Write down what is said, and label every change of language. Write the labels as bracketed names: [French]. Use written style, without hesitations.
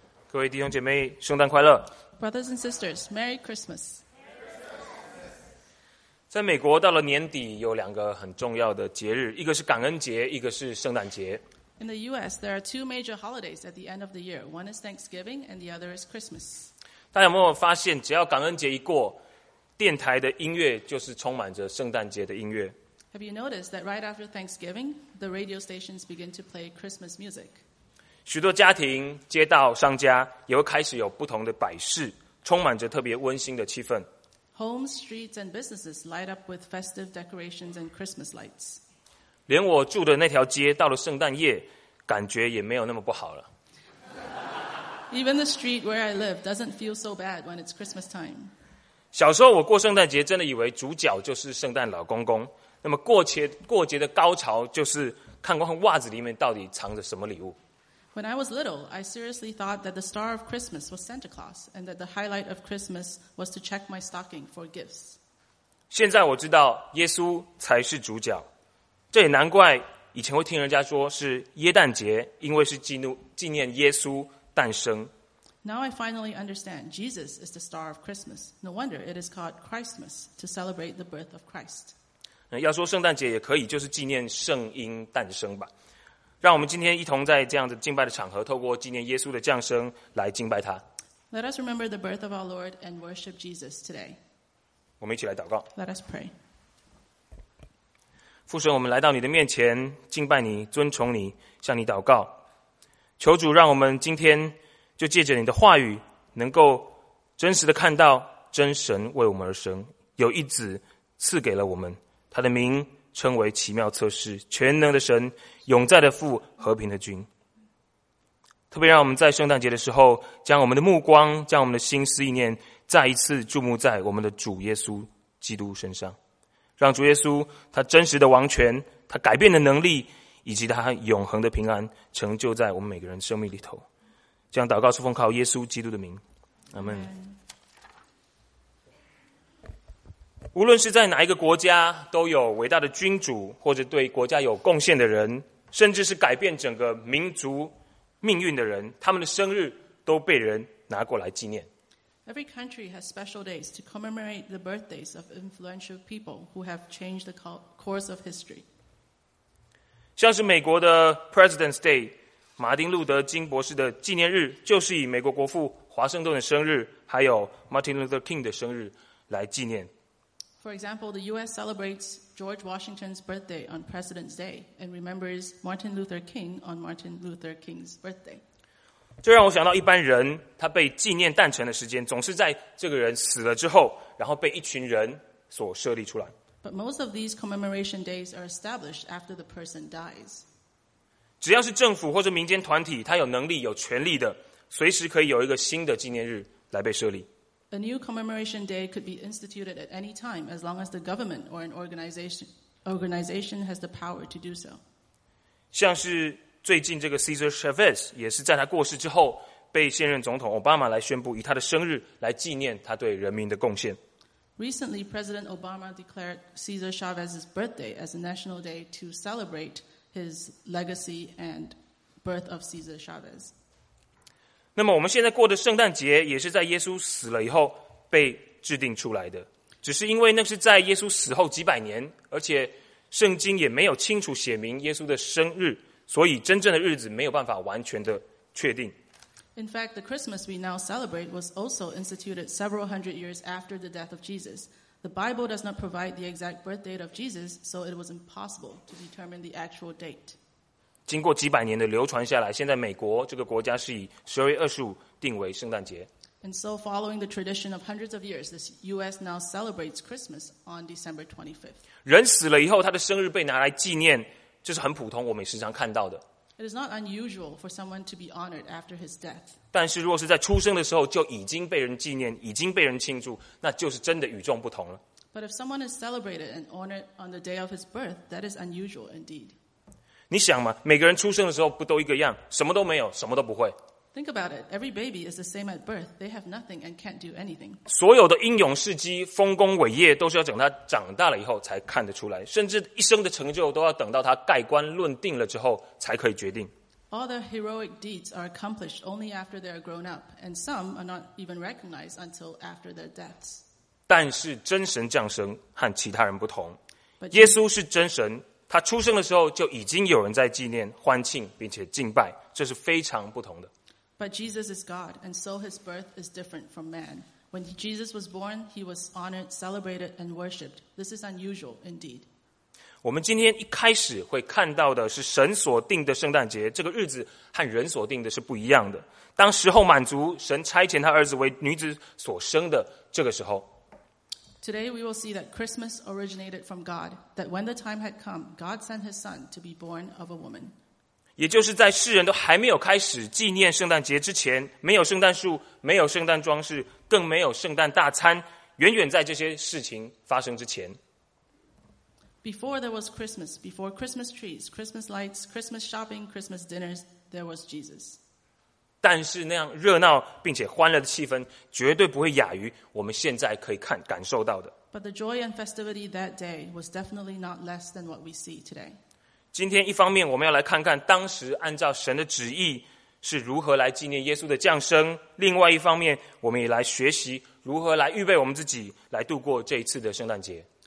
[Chinese] 各位弟兄姐妹，圣诞快乐。 [English] Brothers and sisters, Merry Christmas. [Chinese] 在美国到了年底有两个很重要的节日，一个是感恩节，一个是圣诞节。 [English] In the US, there are two major holidays at the end of the year. One is Thanksgiving and the other is Christmas. [Chinese] 大家有没有发现，只要感恩节一过，电台的音乐就是充满着圣诞节的音乐。 [English] Have you noticed that right after Thanksgiving, the radio stations begin to play Christmas music? [Chinese] 许多家庭、街道、商家也会开始有不同的摆饰，充满着特别温馨的气氛。 [English] Homes, streets, and businesses light up with festive decorations and Christmas lights. [Chinese] 连我住的那条街到了圣诞夜，感觉也没有那么不好了。 [English] Even the street where I live doesn't feel so bad when it's Christmas time. [Chinese] 小时候我过圣诞节真的以为主角就是圣诞老公公。那么过节的高潮就是看看袜子里面到底藏着什么礼物。 [English] When I was little, I seriously thought that the star of Christmas was Santa Claus, and that the highlight of Christmas was to check my stocking for gifts. [Chinese] 现在我知道耶稣才是主角，这也难怪以前会听人家说是耶诞节，因为是纪念耶稣诞生。 [English] Now I finally understand Jesus is the star of Christmas. No wonder it is called Christmas to celebrate the birth of Christ. [Chinese] 要说圣诞节也可以，就是纪念圣婴诞生吧。让我们今天一同在这样的敬拜的场合，透过纪念耶稣的降生来敬拜他。 [English] Let us remember the birth of our Lord and worship Jesus today. [Chinese] 我们一起来祷告。 [English] Let us pray. [Chinese] 父神，我们来到你的面前，敬拜你，尊崇你，向你祷告。求主让我们今天就借着你的话语，能够真实的看到真神为我们而生，有一子赐给了我们。他的名称为奇妙测试，全能的神，永在的父，和平的君。特别让我们在圣诞节的时候，将我们的目光，将我们的心思意念，再一次注目在我们的主耶稣基督身上。让主耶稣他真实的王权，他改变的能力，以及他永恒的平安，成就在我们每个人生命里头。这样祷告是奉靠耶稣基督的名，阿们。无论是在哪一个国家，都有伟大的君主，或者对国家有贡献的人，甚至是改变整个民族命运的人，他们的生日都被人拿过来纪念。 [English] Every country has special days to commemorate the birthdays of influential people who have changed the course of history. [Chinese] 像是美国的 President's Day， 马丁路德金博士的纪念日，就是以美国国父华盛顿的生日，还有 Martin Luther King 的生日来纪念。 [English] For example, the U.S. celebrates George Washington's birthday on President's Day and remembers Martin Luther King on Martin Luther King's birthday. [Chinese] 这让我想到一般人他被纪念诞辰的时间总是在这个人死了之后，然后被一群人所设立出来。 [English] But most of these commemoration days are established after the person dies. [Chinese] 只要是政府或者民间团体，他有能力、有权力的，随时可以有一个新的纪念日来被设立。 [English] A new commemoration day could be instituted at any time as long as the government or an organization has the power to do so. [Chinese] 像是最近这个 Cesar Chavez 也是在他过世之后被现任总统 Obama 来宣布以他的生日来纪念他对人民的贡献。 [English] Recently, President Obama declared Cesar Chavez's birthday as a national day to celebrate his legacy and birth of Cesar Chavez. [Chinese] 那么我们现在过的圣诞节也是在耶稣死了以后被制定出来的，只是因为那是在耶稣死后几百年，而且圣经也没有清楚写明耶稣的生日，所以真正的日子没有办法完全的确定。 [English] In fact, the Christmas we now celebrate was also instituted several hundred years after the death of Jesus. The Bible does not provide the exact birth date of Jesus, so it was impossible to determine the actual date. [Chinese] 经过几百年的流传下来，现在美国这个国家是以12月25定为圣诞节。 [English] And so, following the tradition of hundreds of years, the U.S. now celebrates Christmas on December 25th. [Chinese] 人死了以后，他的生日被拿来纪念，这是很普通，我们时常看到的。 [English] It is not unusual for someone to be honored after his death. [Chinese] 但是，如果是在出生的时候就已经被人纪念，已经被人庆祝，那就是真的与众不同了。 [English] But if someone is celebrated and honored on the day of his birth, that is unusual indeed. [Chinese] 你想嘛，每个人出生的时候不都一个样，什么都没有，什么都不会。 [English] Think about it. Every baby is the same at birth. They have nothing and can't do anything. [Chinese] 所有的英勇事迹、丰功伟业，都是要等他长大了以后才看得出来，甚至一生的成就都要等到他盖棺论定了之后才可以决定。 [English] All their heroic deeds are accomplished only after they are grown up, and some are not even recognized until after their deaths. [Chinese] 但是真神降生和其他人不同。耶稣是真神，他出生的时候就已经有人在纪念、欢庆并且敬拜，这是非常不同的。 [English] But Jesus is God, and so his birth is different from man. When Jesus was born, he was honored, celebrated, and worshipped. This is unusual indeed. [Chinese] 我们今天一开始会看到的是神所定的圣诞节，这个日子和人所定的是不一样的。当时候满足，神差遣他儿子为女子所生的这个时候。 [English] Today we will see that Christmas originated from God, that when the time had come, God sent his son to be born of a woman. [Chinese] 也就是在世人都还没有开始纪念圣诞节之前，没有圣诞树，没有圣诞装饰，更没有圣诞大餐，远远在这些事情发生之前。 [English] Before there was Christmas, before Christmas trees, Christmas lights, Christmas shopping, Christmas dinners, there was Jesus. [Chinese] 但是那样热闹并且欢乐的气氛绝对不会亚于我们现在可以看感受到的。 [English] But the joy and festivity that day was definitely not less than what we see today. [Chinese] 今天一方面我们要来看看当时按照神的旨意是如何来纪念耶稣的降生，另外一方面我们也来学习如何来预备我们自己来度过这一次的圣诞节。